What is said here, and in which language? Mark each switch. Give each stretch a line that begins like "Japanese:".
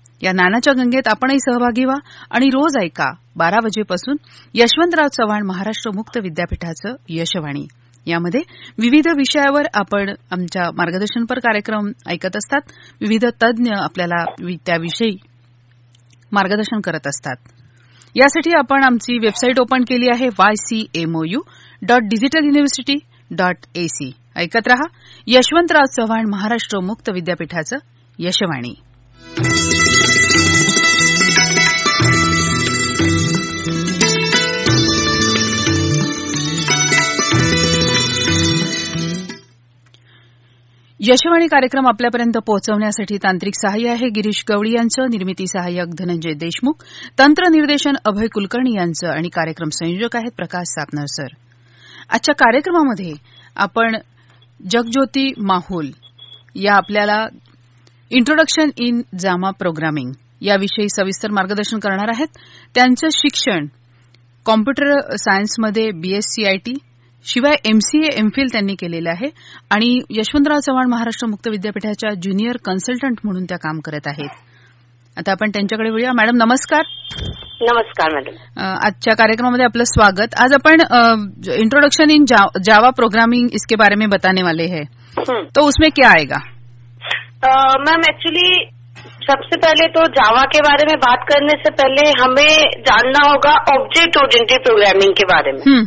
Marathi: या ज्ञानाच्या गंगेत आपणही सहभागी व्हा आणि रोज ऐका 12 वाजेपासून यशवंतराव चव्हाण महाराष्ट्र मुक्त विद्यापीठाचं यशवाणी. यामध्ये विविध विषयावर आपण आमच्या मार्गदर्शनपर कार्यक्रम ऐकत असतात. विविध तज्ज्ञ आपल्याला त्याविषयी मार्गदर्शन करत असतात. यासाठी आपण आमची वेबसाईट ओपन केली आहे ycmou.digitalyuniversity.ac. ऐकत रहा यशवंतराव चव्हाण महाराष्ट्र मुक्त विद्यापीठाचं यशवाणी. यशवाणी कार्यक्रम आपल्यापर्यंत पोहोचवण्यासाठी तांत्रिक सहाय्य आहे गिरीश गवळी यांचं, निर्मिती सहाय्यक धनंजय देशमुख, तंत्र निर्देशन अभय कुलकर्णी यांचं आणि कार्यक्रम संयोजक आहेत प्रकाश सापनर सर. आजच्या कार्यक्रमामध्ये आपण जगज्योती माहुल या आपल्याला इंट्रोडक्शन इन जामा प्रोग्रामिंग याविषयी सविस्तर मार्गदर्शन करणार आहेत. त्यांचं शिक्षण कॉम्प्युटर सायन्समध्ये BSc IT शिवाय MCA MPhil त्यांनी केलेलं आहे आणि यशवंतराव चव्हाण महाराष्ट्र मुक्त विद्यापीठाच्या ज्युनियर कन्सल्टंट म्हणून त्या काम करत आहेत. आता आपण त्यांच्याकडे वळूया. मॅडम नमस्कार. नमस्कार मॅडम. आजच्या कार्यक्रमामध्ये आपलं स्वागत. आज आपण
Hindi: इंट्रोडक्शन इन जावा प्रोग्रामिंग इसके बारे में बताने वाले है, तो उसमें क्या आएगा? मैम एक्चुअली सबसे पहले तो जावा के बारे में बात करने से पहले हमें जानना होगा ऑब्जेक्ट ओरिएंटेड प्रोग्रामिंग के बारे में.